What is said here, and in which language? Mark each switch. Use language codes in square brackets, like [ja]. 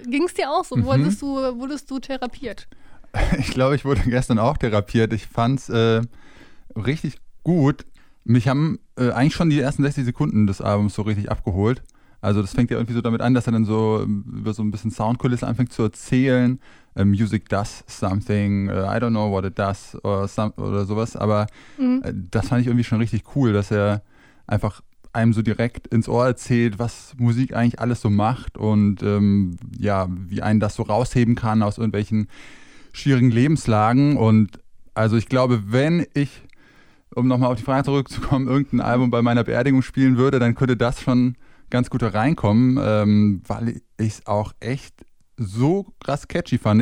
[de] Ging es dir auch so? Mhm. Wurdest du therapiert? Ich glaube, ich wurde gestern auch therapiert. Ich fand es richtig gut. Mich haben eigentlich schon die ersten 60 Sekunden des Albums so richtig abgeholt. Also das fängt ja irgendwie so damit an, dass er dann so über so ein bisschen Soundkulisse anfängt zu erzählen. [en] Music does something, I don't know what it does [de] oder sowas. Aber das fand ich irgendwie schon richtig cool, dass er einfach einem so direkt ins Ohr erzählt, was Musik eigentlich alles so macht und ja, wie einen das so rausheben kann aus irgendwelchen schwierigen Lebenslagen. Und also ich glaube, wenn ich, um nochmal auf die Frage zurückzukommen, irgendein Album bei meiner Beerdigung spielen würde, dann könnte das schon ganz gut da reinkommen, weil ich es auch echt so krass catchy fand.